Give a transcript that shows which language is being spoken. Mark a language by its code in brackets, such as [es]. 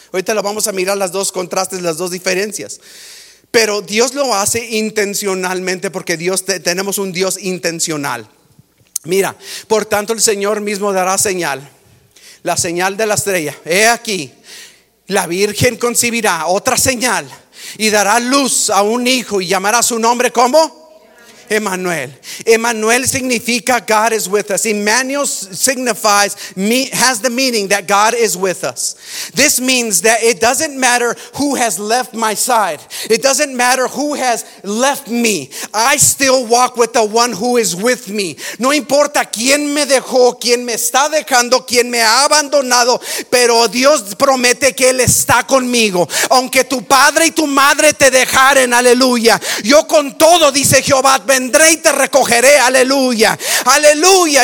[es] Ahorita lo vamos a mirar, las dos contrastes, las dos diferencias. Pero Dios lo hace intencionalmente, porque tenemos un Dios intencional. Mira, por tanto el Señor mismo dará señal, la señal de la estrella. He aquí, la Virgen concebirá, otra señal, y dará luz a un hijo, y llamará su nombre, ¿cómo? Emmanuel. Emmanuel significa [en] God is with us. Emmanuel signifies, has the meaning that God is with us. This means that it doesn't matter who has left my side. It doesn't matter who has left me. I still walk with the one who is with me. [es] No importa quién me dejó, quién me está dejando, quién me ha abandonado, pero Dios promete que Él está conmigo. Aunque tu padre y tu madre te dejaren, aleluya, yo con todo, dice Jehová, vendré y te recogeré, aleluya, aleluya.